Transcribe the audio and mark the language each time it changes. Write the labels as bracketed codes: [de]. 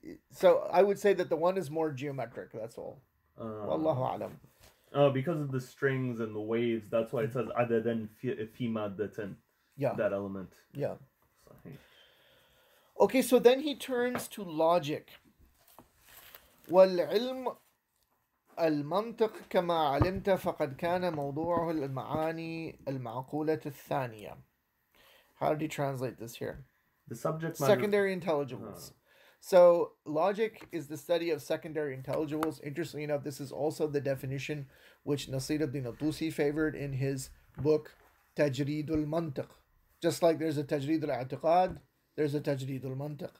[en] So I would say that the one is more geometric, that's all. [ar] Wallahu alam. [en] Oh, because of the strings and the waves, that's why it says other than fimadatan, that element. Yeah. Okay, so then he turns to logic. [ar] والعلم المنطق كما علمت فقد كان موضوعه المعاني المعقولة الثانية. [en] How did he translate this here? The subject matter. Secondary intelligibles. So logic is the study of secondary intelligibles. Interestingly enough, this is also the definition which Nasir ibn al-Tusi favored in his book تجريد المنطق. Just like there's a تجريد الاعتقاد, there's a tajrid al-mantiq.